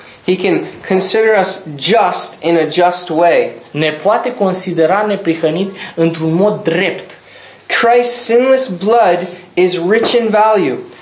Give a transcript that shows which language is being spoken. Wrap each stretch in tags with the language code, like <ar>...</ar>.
<en>He can consider us just in a just way.</en> <ro>Ne poate considera neprihăniți într-un mod drept.</ro> <en>Christ's sinless blood is rich in value.</en>